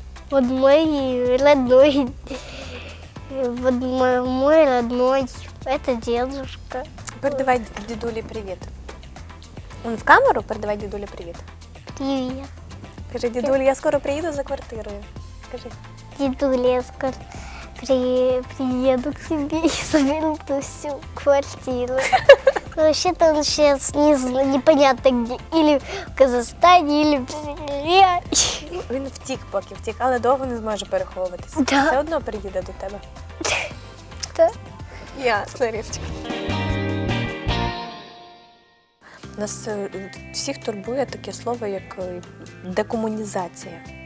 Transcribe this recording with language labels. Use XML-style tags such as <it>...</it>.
<uk>От мої родної. От мій родной. Це дедушка. Передавай дідулі привіт.</uk> <ru>Он в камеру?</ru> <uk>Передавай дідулі привіт. Привіт. Кажи, дідулі, я скоро приїду за квартирою. Кажи. Дідулі, я скоро.</uk> <ru>Приеду к тебе и заберу всю квартиру. Вообще-то он сейчас не знаю, непонятно где. Или в Казахстане, или в Сибири.</ru> <uk>Он втік поки, втік, але довго не зможе переховуватися.</uk> <ru>Да.</ru> <uk>Все одно приїде до тебе.</uk> <ru>Да.</ru> <uk>Ясно, Рівчик. Нас всіх турбує таке слово, як декомунізація.</uk>